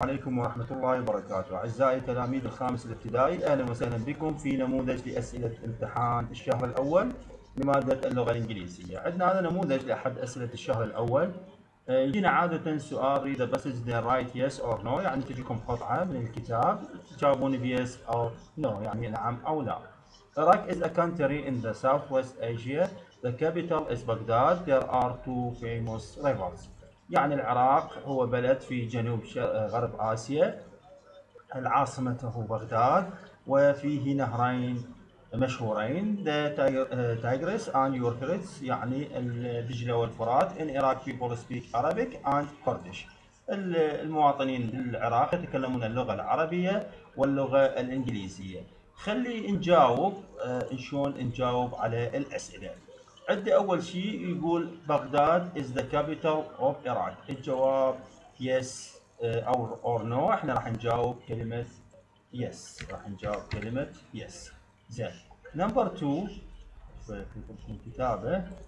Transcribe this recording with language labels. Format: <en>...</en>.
<ar>عليكم ورحمة الله وبركاته. أعزائي تلاميذ الخامس الابتدائي، أهلا وسهلا بكم في نموذج لأسئلة امتحان الشهر الأول لمادة اللغة الإنجليزية. عندنا هذا نموذج لأحد أسئلة الشهر الأول. يجينا عادة سؤال</ar> <en>read a passage then write yes or no،</en> <ar>يعني تجيكم قطعة من الكتاب تجاوبون بيس أو نو، يعني نعم أو لا.</ar> <en>Iraq is a country in the southwest Asia. The capital is Baghdad. There are two famous rivers.</en> <ar>يعني العراق هو بلد في جنوب غرب آسيا، العاصمته بغداد، وفيه نهرين مشهورين تايغريس اند يوفرتس، يعني الدجلة والفرات.</ar> <en>in Iraq people speak Arabic and Kurdish,</en> <ar>المواطنين بالعراق يتكلمون اللغة العربية واللغة الإنجليزية. خلي نجاوب، شلون نجاوب على الأسئلة. عندي أول شيء يقول بغداد</ar> <en>is the capital of Iraq. الجواب yes or no.</en> <ar>إحنا راح نجاوب كلمة yes. راح نجاوب كلمة yes. زين.</ar> <en>Number two</en> <ar>في الكتابة.</ar>